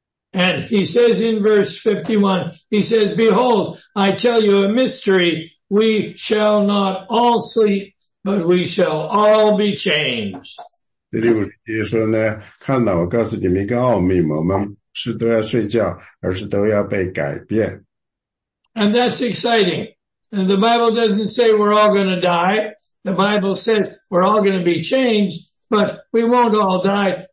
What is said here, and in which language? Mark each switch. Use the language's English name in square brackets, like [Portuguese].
[English] And he says in verse 51, he says, Behold, I tell you a mystery. We shall not all sleep, but we shall all be changed. [Chinese] 这里我说呢，看到我告诉你们一个奥秘，我们是都要睡觉，而是都要被改变。 [English] And that's exciting. And the Bible doesn't say we're all going to die. The Bible says we're all going to be changed, but we won't all die.